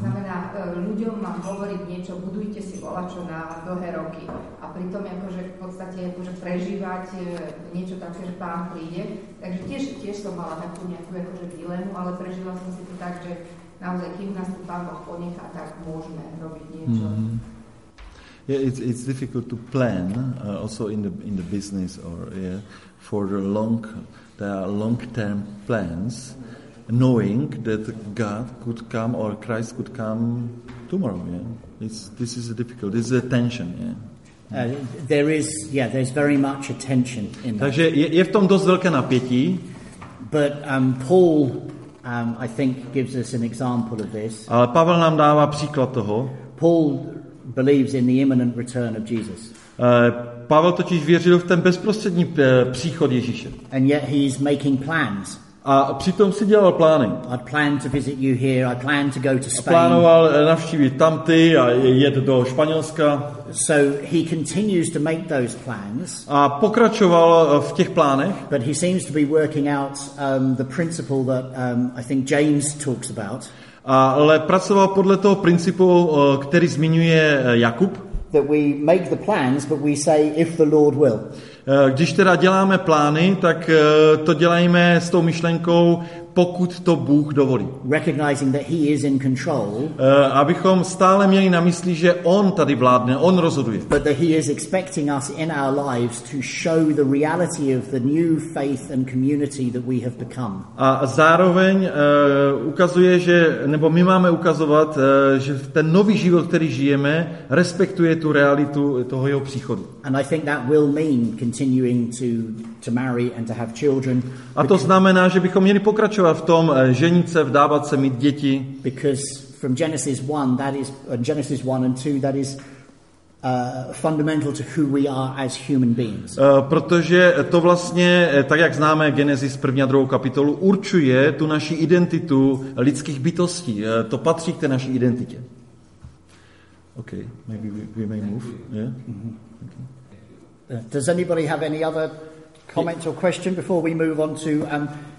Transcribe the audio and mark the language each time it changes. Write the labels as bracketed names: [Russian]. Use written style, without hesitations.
[Slovak] Znamená, ľuďom mám hovoriť niečo, budujte si volačo na dlhé roky. A pritom akože v podstate akože prežívať niečo také, že pán príde. Takže tiež som mala takú nejakú akože dilemu, ale prežila som si to tak, že naozaj, kým nás tu pán Boh ponechá, tak môžeme robiť niečo. Mm-hmm. [English] Yeah, it's difficult to plan also in the business or yeah for the long there are long term plans, knowing that God could come or Christ could come tomorrow. Yeah, this is a difficult. This is a tension. Yeah, there's very much a tension in that. [Slovak] Takže je v tom dosť veľké napätie. [English] But Paul, I think, gives us an example of this. [Czech] Ale Pavel nám dává příklad toho. [English] Paul believes in the imminent return of Jesus. [Czech] Pavel totiž věřil v ten bezprostřední příchod Ježíše. [English] And yet he's making plans. [Czech] A přitom si dělal plány. [English] I plan to visit you here. I plan to go to Spain. [Czech] Plánoval navštívit tamty a jet do Španělska. [English] So he continues to make those plans. [Czech] A pokračoval v těch plánech. [English] But he seems to be working out the principle that I think James talks about. [Czech] Ale pracoval podle toho principu, který zmiňuje Jakub. [English] That we make the plans, but we say if the Lord will. [Czech] Když teda děláme plány, tak to dělajme s tou myšlenkou, pokud to Bůh dovolí. [English] Recognizing that he is in control. [Czech] Abychom stále měli na mysli, že on tady vládne, on rozhoduje. [English] But that he is expecting us in our lives to show the reality of the new faith and community that we have become. [Czech] A zároveň ukazuje, že nebo my máme ukazovat, že ten nový život, který žijeme, respektuje tu realitu toho jeho příchodu. [English] And I think that will mean continuing to marry and to have children. [Czech] A to znamená, že bychom měli pokračovat v tom ženit se, vdávat se, mít děti. [English] Because from Genesis 1 that is Genesis 1 and 2 that is fundamental to who we are as human beings. [Czech] Protože to vlastně tak jak známe Genesis 1 a 2 kapitolu určuje tu naši identitu lidských bytostí. To patří k té naší identitě. [English] Okay, maybe we may move. Yeah. Mm-hmm. Okay. Does anybody have any other comment or question before we move on to